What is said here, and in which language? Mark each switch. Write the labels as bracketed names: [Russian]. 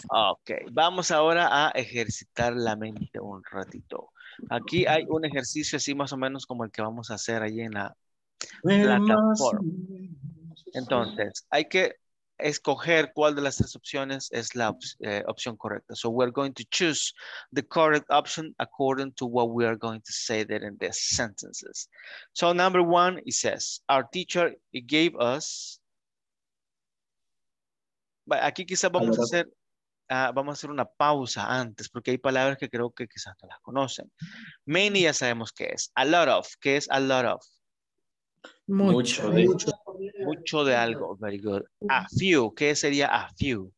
[Spanish] Ok, vamos ahora a ejercitar la mente un ratito. Aquí hay un ejercicio así más o menos como el que vamos a hacer ahí en la plataforma. Entonces, hay que escoger cuál de las tres opciones es la opción correcta. [English] So we're going to choose the correct option according to what we are going to say there in the sentences. So number one, it says, our teacher gave us. [Spanish] Aquí quizás vamos a hacer una pausa antes porque hay palabras que creo que quizás no las conocen. Many ya sabemos qué es. A lot of, ¿qué es a lot of? Mucho de algo. [English] Very good. A few. [Spanish] ¿Qué sería [English] a few?